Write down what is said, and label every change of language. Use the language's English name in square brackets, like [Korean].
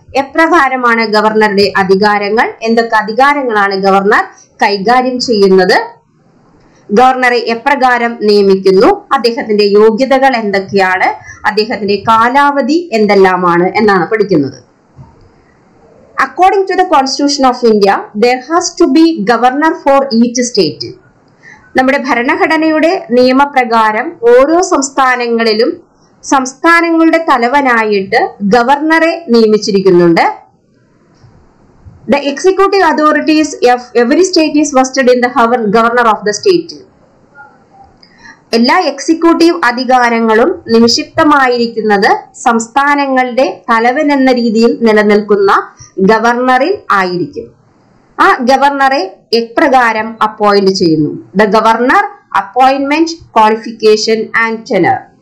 [Malayalam] എപ്രകാരമാണ് ഗവർണറുടെ അധികാരങ്ങൾ, എന്തൊക്കെ അധികാരങ്ങളാണ് ഗവർണർ കൈകാര്യം ചെയ്യുന്നത്, ഗവർണറെ എപ്രകാരം നിയമിക്കുന്നു, അദ്ദേഹത്തിന്റെ യോഗ്യതകൾ എന്തൊക്കെയാണ്, അദ്ദേഹത്തിന്റെ കാലാവധി എന്തെല്ലാമാണ് എന്നാണ് പഠിക്കുന്നത്. [English] According to the Constitution of India, there has to be governor for each state. [Malayalam] നമ്മുടെ ഭരണഘടനയുടെ നിയമപ്രകാരം ഓരോ സംസ്ഥാനങ്ങളിലും സംസ്ഥാനങ്ങളുടെ തലവനായിട്ട് ഗവർണറെ നിയമിച്ചിരിക്കുന്നുണ്ട്. [English] The executive authorities of every state is vested in the governor of the state. [Malayalam] എല്ലാ എക്സിക്യൂട്ടീവ് അധികാരങ്ങളും നിക്ഷിപ്തമായിരിക്കുന്നത് സംസ്ഥാനങ്ങളുടെ തലവൻ എന്ന രീതിയിൽ നിലനിൽക്കുന്ന ഗവർണറിൽ ആയിരിക്കും. ആ ഗവർണറെ എപ്രകാരം അപ്പോയിന്റ് ചെയ്യുന്നു? [English] The governor appointment qualification and tenure.